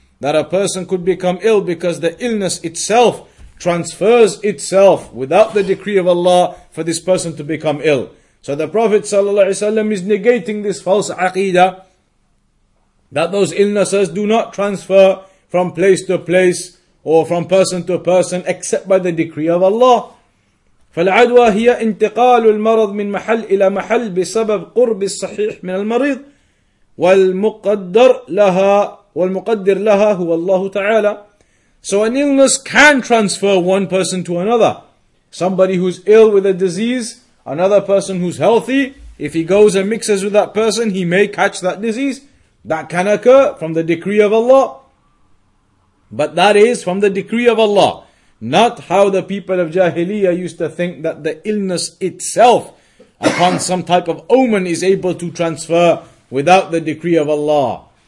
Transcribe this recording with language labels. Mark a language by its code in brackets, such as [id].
[en] That a person could become ill because the illness itself transfers itself without the decree of Allah for this person to become ill. So the Prophet ﷺ is negating this false aqidah that those illnesses do not transfer from place to place or from person to person except by the decree of Allah. [ar] فالعدوى هي انتقال المرض من محل إلى محل بسبب قرب الصحيح من المريض والمقدر لها والمقدر لها هو الله تعالى. [en] So an illness can transfer one person to another. Somebody who's ill with a disease, another person who's healthy, if he goes and mixes with that person, he may catch that disease. That can occur from the decree of Allah. But that is from the decree of Allah. Not how the people of Jahiliyyah used to think that the illness itself, upon some type of omen, is able to transfer without the decree of Allah.